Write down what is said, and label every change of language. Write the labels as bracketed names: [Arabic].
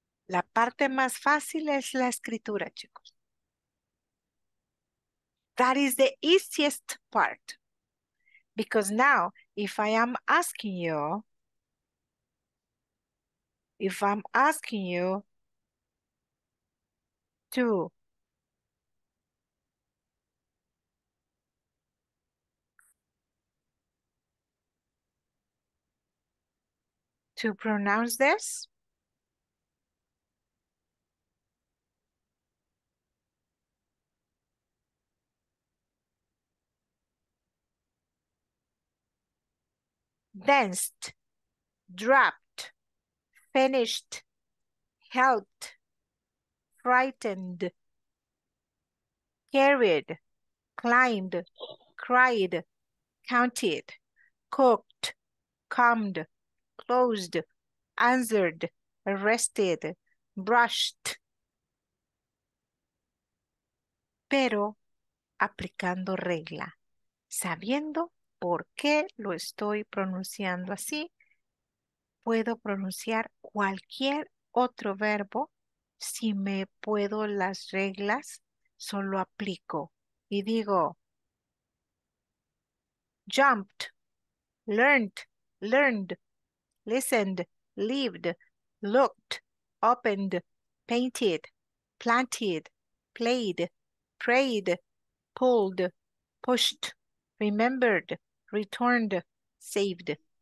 [Spanish] La parte más fácil es la escritura, chicos. [English] That is the easiest part. Because now, if I am asking you, if I'm asking you to pronounce this, danced, dropped, finished, helped, frightened, carried, climbed, cried, counted, cooked, combed, closed, answered, arrested, brushed. [Spanish] Pero aplicando regla, sabiendo por qué lo estoy pronunciando así, puedo pronunciar cualquier otro verbo. [English] Si me puedo las reglas, solo aplico y digo jumped, learned, learned, listened, lived, looked, opened, painted, planted, played, prayed, pulled, pushed, remembered, returned, saved.